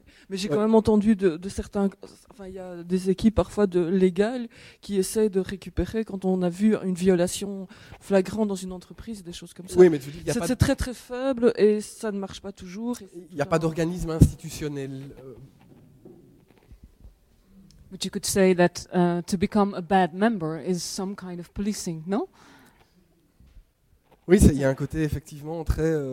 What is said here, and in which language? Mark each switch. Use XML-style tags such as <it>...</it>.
<fr>Mais j'ai quand même entendu de certains... Enfin, il y a des équipes parfois de légales qui essaient de récupérer quand on a vu une violation flagrante dans une entreprise, des choses comme ça. Oui, mais tu dis, c'est très très faible et ça ne marche pas toujours. Il n'y a pas d'organisme institutionnel.</fr> <en>But you could say that to become a bad member is some kind of policing, no?</en> <fr>Oui, il y a un côté effectivement très...</fr>